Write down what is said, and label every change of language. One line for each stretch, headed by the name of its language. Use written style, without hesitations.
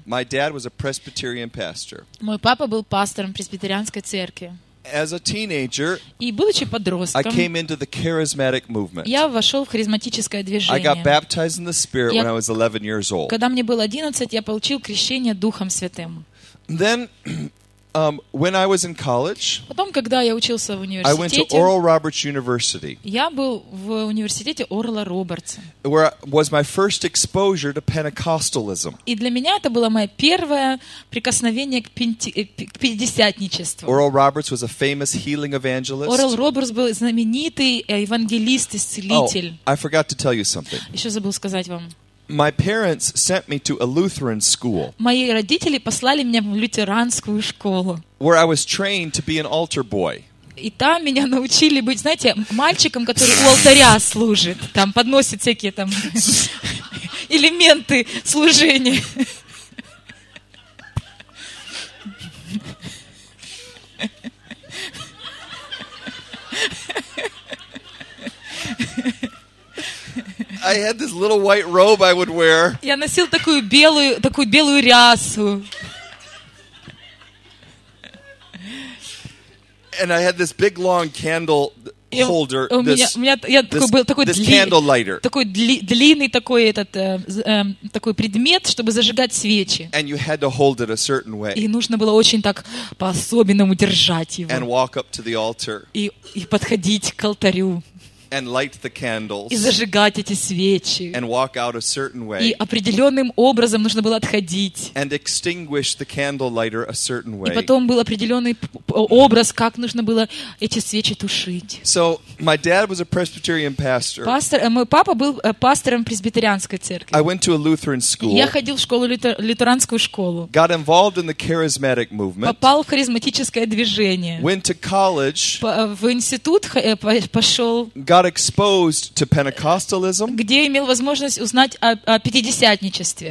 English: My dad was a Presbyterian pastor.
Russian: Мой папа был пастором пресвитерианской церкви.
English: As a teenager,
Russian: и будучи подростком,
English: I came into the charismatic movement.
Russian: Я вошел в харизматическое движение.
English: I got baptized in the Spirit when I was 11 years old.
Russian: Когда мне было 11, я получил крещение Духом Святым.
English: Then when I was in college,
Russian: потом, когда я учился в университете,
English: I went to Oral Roberts University.
Russian: Я был в университете Орла Робертса.
English: Where was my first exposure to Pentecostalism?
Russian: И для меня это было мое первое прикосновение к пятидесятничеству.
English: Oral Roberts was a famous healing evangelist.
Russian: Орл Робертс был знаменитый евангелист, исцелитель.
English: Oh, I forgot to tell you something.
Russian: Еще забыл сказать вам.
English: My parents sent me to a Lutheran school.
Russian: Мои родители послали меня в лютеранскую школу.
English: Where I was trained to be an altar boy.
Russian: И там меня научили быть, знаете, мальчиком, который у алтаря служит, там подносит всякие там элементы служения.
English: I had this little white robe I would wear.
Russian: Я носил такую белую рясу.
English: and I had this big long candle holder. This candle lighter.
Russian: Такой длинный такой этот такой предмет, чтобы зажигать свечи.
English: And you had to hold it a certain way.
Russian: И нужно было очень так по-особенному держать его.
English: And walk up to the altar.
Russian: И подходить к алтарю.
English: And light the candles.
Russian: И зажигать эти свечи.
English: And walk out a certain way.
Russian: И определенным образом нужно было отходить.
English: And extinguish the candle lighter a certain way.
Russian: И потом был определенный образ, как нужно было эти свечи тушить.
English: So my dad was a Presbyterian pastor.
Russian: Пастор, мой папа был пастором пресбитерианской церкви.
English: I went to a Lutheran school.
Russian: Я ходил в школу лютеранскую школу.
English: Got involved in the charismatic movement.
Russian: Попал в харизматическое движение.
English: Went to college.
Russian: В институт пошел.
English: Got exposed to Pentecostalism.
Russian: Где имел возможность узнать о пятидесятничестве.